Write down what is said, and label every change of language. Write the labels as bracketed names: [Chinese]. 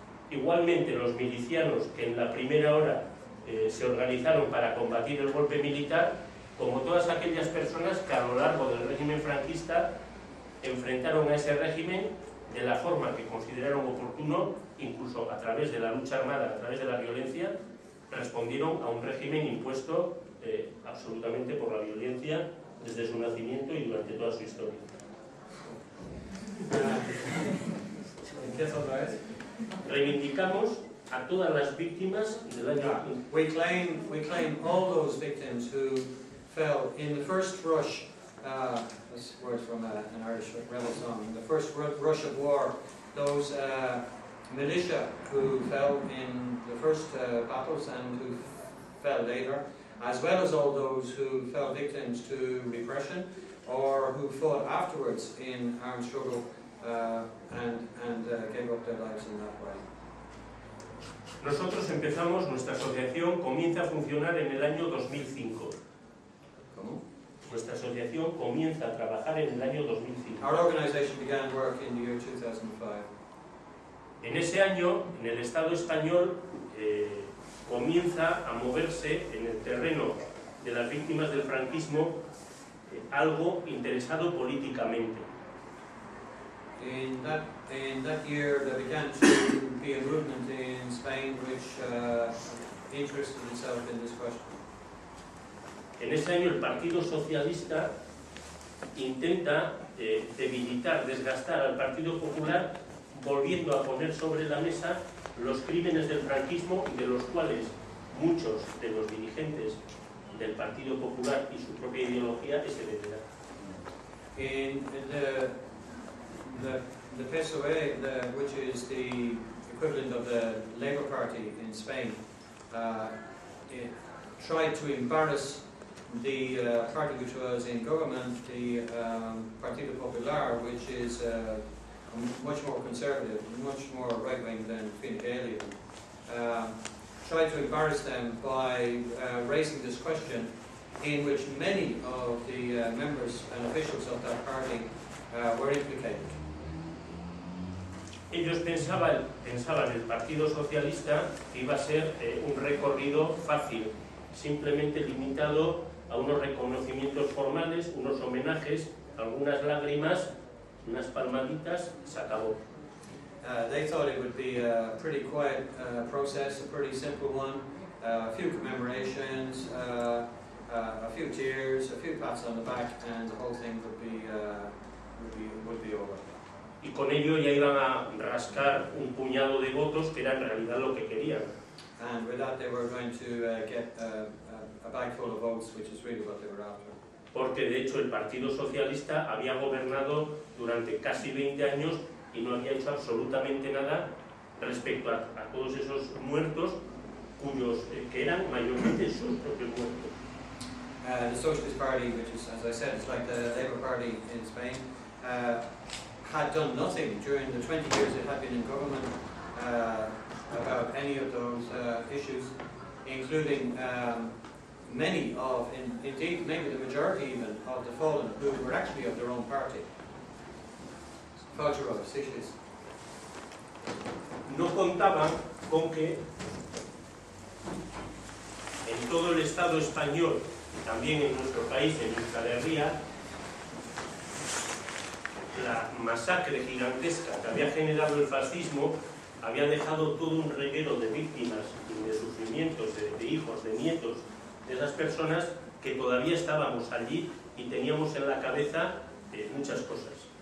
[Spanish] Igualmente los milicianos que en la primera hora se organizaron para combatir el golpe militar, como todas aquellas personas que a lo largo del régimen franquista enfrentaron a ese régimen de la forma que consideraron oportuno, incluso a través de la lucha armada, a través de la violencia, respondieron a un régimen impuesto absolutamente por la violencia desde su nacimiento y durante toda su historia. ¿Empieza otra vez? Reivindicamos a todas las víctimas del año. [English] We claim all those victims who fell in the first rush. This word from an Irish rebel song. In the first rush of war, those militia who fell in the first battles and who fell later, as well as all those who fell victims to repression or who fought afterwards in armed struggle. Gave up their lives in that way. [Spanish] Nosotros empezamos, nuestra asociación comienza a funcionar en el año 2005. ¿Cómo? Nuestra asociación comienza a trabajar en el año 2005. [English] Our organization began work in the year 2005. [Spanish] En ese año, en el Estado español, comienza a moverse en el terreno de las víctimas del franquismo algo interesado políticamente. [English] In that year, there began to be a movement in Spain which interested itself in this question. [Spanish] En ese año, el Partido Socialista intenta debilitar, desgastar al Partido Popular, volviendo a poner sobre la mesa los crímenes del franquismo, de los cuales muchos de los dirigentes del Partido Popular y su propia ideología es el veterano. [English] The PSOE, which is the equivalent of the Labour Party in Spain, it tried to embarrass the party which was in government, the Partido Popular, which is much more conservative, much more right-wing than Fine Gael, tried to embarrass them by raising this question, in which many of the members and officials of that party were implicated. [Spanish] Ellos pensaban el Partido Socialista que iba a ser un recorrido fácil, simplemente limitado a unos reconocimientos formales, unos homenajes, algunas lágrimas, unas palmaditas, se acabó. [English] They thought it would be a pretty quiet process, a pretty simple one, a few commemorations, a few tears, a few pats on the back, and the whole thing would be over. [Spanish] Y con ello ya iban a rascar un puñado de votos, que era en realidad lo que querían. [English] And with that they were going to get a bag full of votes, which is really what they were after. [Spanish] Porque de hecho el Partido Socialista había gobernado durante casi 20 años y no había hecho absolutamente nada respecto a todos esos muertos cuyos que eran mayormente sus propios muertos. [English] The Socialist Party, which is, as I said, it's like the Labour Party in Spain, had done nothing during the 20 years it had been in government about any of those issues, including many of, indeed maybe the majority even, of the fallen who were actually of their own party. Cultural issues. [Spanish] No contaban con que en todo el Estado español y también en nuestro país, en Euskal Herria, la masacre gigantesca que había generado el fascismo había dejado todo un reguero de víctimas y de sufrimientos, de hijos, de nietos, de esas personas que todavía estábamos allí y teníamos en la cabeza muchas cosas.